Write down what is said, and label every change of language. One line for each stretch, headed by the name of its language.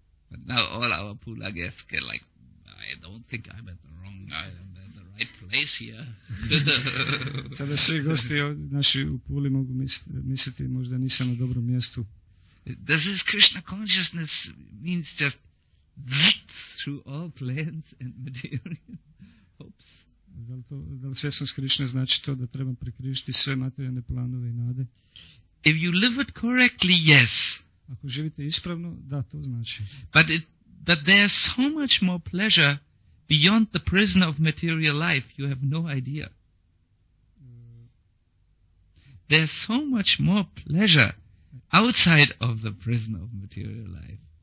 English: But now all our Pula guests get like, I don't think I'm at the wrong, I'm at the right place here.
Croatian: Sada svi gosti naši u Puli mogu misliti možda nisam na dobrom mjestu.
English: Does this Krishna consciousness means just through all plans and material hopes?
Croatian: Da li svjesnost Krišne znači to da trebam prekrižiti sve materijalne planove i nade?
English: If you live it correctly, yes.
Croatian: Ako živite ispravno, da, to znači.
English: But there is so much more pleasure beyond the prison of material life, you have no idea. There is so much more pleasure outside of the prison of material life.